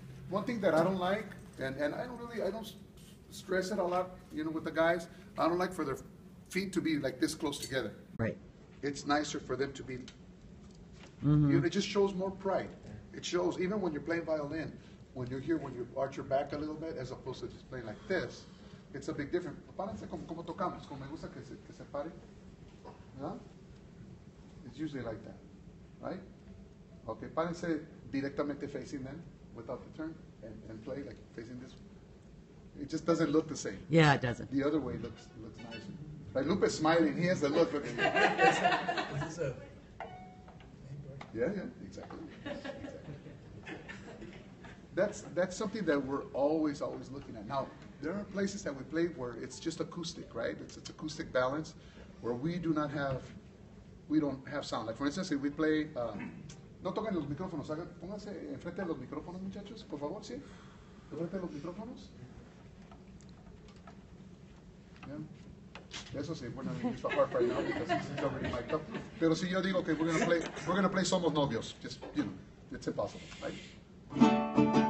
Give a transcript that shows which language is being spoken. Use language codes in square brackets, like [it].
[en] One thing that I don't like, and I don't stress it a lot, you know, with the guys, I don't like for their feet to be like this close together. Right. It's nicer for them to be, mm-hmm. you know, it just shows more pride. It shows, even when you're playing violin, when you're here, when you arch your back a little bit, as opposed to just playing like this, it's a big difference. [es] Párense como tocamos, como me gusta que se pare. [en] It's usually like that, right? Okay, [es] párense directamente [en] facing them, without the turn, and play like facing this. It just doesn't look the same. Yeah, it doesn't. The other way looks nicer. Like Lupe's smiling, he has the look. Okay. Yeah, exactly. That's something that we're always looking at. Now, there are places that we play where it's just acoustic, right? It's acoustic balance, where we don't have sound. Like for instance, if we play, [es] no toquen los micrófonos, pónganse enfrente de los micrófonos, muchachos, por favor, sí, enfrente de los micrófonos. [en] Yeah, [es] eso sí. [en] We're not gonna use the harp right now because it's already mic'd up. [es] Pero si yo digo que [en] we're gonna play Somos Novios, just you know, it's impossible, right?